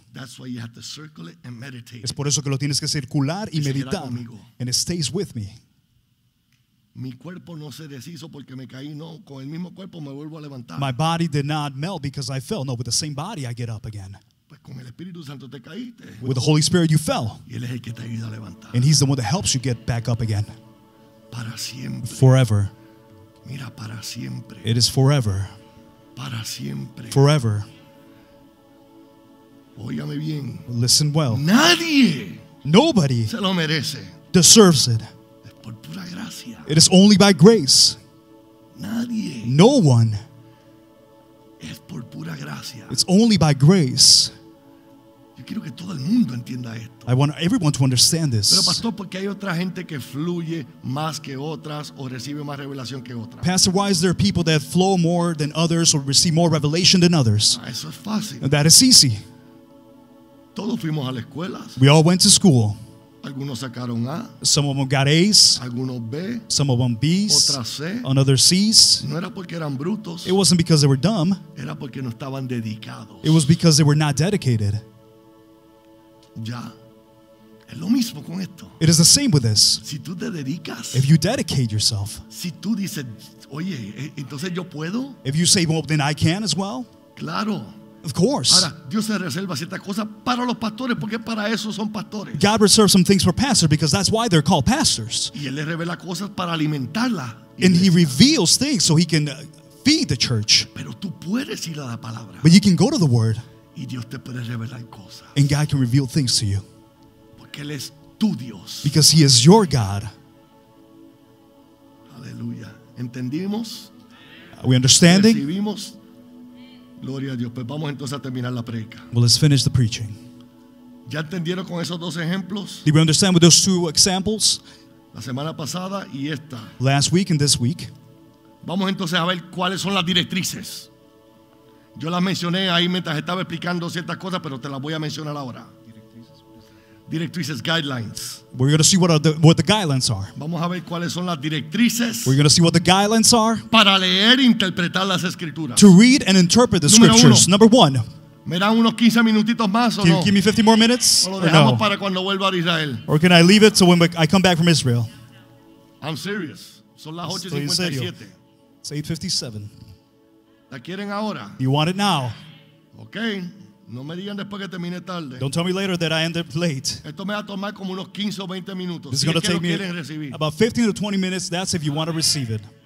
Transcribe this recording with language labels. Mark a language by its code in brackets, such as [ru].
[en] That's why you have to circle it and meditate. [es] Es por eso que lo tienes que circular y meditar. Conmigo. [en] And it stays with me. [es] Mi cuerpo no se deshizo porque me caí, no, con el mismo cuerpo me vuelvo a levantar. [en] My body did not melt because I fell. No, with the same body I get up again. [es] Pues con el Espíritu Santo te caíste. [en] With the Holy Spirit you fell. [es] Y él es el que te ayuda a levantar. [en] And he's the one that helps you get back up again. [es] Para siempre. [en] Forever. [es] Mira, para siempre. [en] It is forever. [es] Para siempre. [en] Forever. [es] Óyame bien. [en] Listen well. [es] Nadie. [en] Nobody. [es] Se lo merece. [en] Deserves it. [es] Por pura gracia. [en] It is only by grace. [es] Nadie. [en] No one. [es] Es por pura gracia. [en] It's only by grace. [es] Yo quiero que todo el mundo entienda esto. [en] I want everyone to understand this. [es] Pero pastor, porque hay otra gente que fluye más que otras o recibe más revelación que otras. [en] Pastor, why is there people that flow more than others or receive more revelation than others? [es] Eso es fácil. [en] And that is easy. [es] Todos fuimos a la escuela. [en] We all went to school. [es] Algunos sacaron A. [en] Some of them got A's. [es] Algunos B. [en] Some of them B's. [es] Otras C. [en] Another C's. [es] No era porque eran brutos. [en] It wasn't because they were dumb. [es] Era porque no estaban dedicados. [en] It was because they were not dedicated. [es] Ya. Es lo mismo con esto. [en] It is the same with this. [es] Si tú te dedicas. [en] If you dedicate yourself. [es] Si tú dices, oye, entonces yo puedo. [en] If you say, well, then I can as well. [es] Claro. [en] Of course. [es] Ahora, Dios se reserva ciertas cosas para los pastores porque para eso son pastores. [en] God reserves some things for pastors because that's why they're called pastors. [es] Y él les revela cosas para alimentarla. [en] And he reveals things so he can feed the church. [es] Pero tú puedes ir a la palabra. [en] But you can go to the word. [es] Y Dios te puede revelar cosas. [en] And God can reveal things to you. [es] Porque él es tu Dios. [en] Because he is your God. [es] Aleluya. ¿Entendimos? [en] Are we understanding? [es] ¿Recibimos? Gloria a Dios. Pues vamos entonces a terminar la predica. [en] Well, let's finish the preaching. [es] ¿Ya entendieron con esos dos ejemplos? [en] Did we understand with those two examples? [es] La semana pasada y esta. [en] Last week and this week. [es] Vamos entonces a ver cuáles son las directrices. Yo las mencioné ahí mientras estaba explicando ciertas cosas, pero te las voy a mencionar ahora. Directrices, guidelines. [en] We're going to see what the guidelines are. [es] Vamos a ver cuáles son las directrices. [en] We're going to see what the guidelines are. [es] Para leer e interpretar las escrituras. [en] To read and interpret the scriptures. Number one. [es] ¿Me dan unos 15 minutitos más o no? [en] Can you give me 50 more minutes? [es] O lo dejamos para cuando vuelva a Israel. [en] Or can I leave it so when I come back from Israel? I'm serious. [es] Son las 8:57. [en] It's 8:57. [es] ¿La quieren ahora? [en] You want it now? Okay. [es] No me digan después que termine tarde. [en] Don't tell me later that I end up late. [es] Esto me va a tomar como unos 15 o 20 minutos. [en] This is going to take me about 15 to 20 minutes. That's if you want to receive it.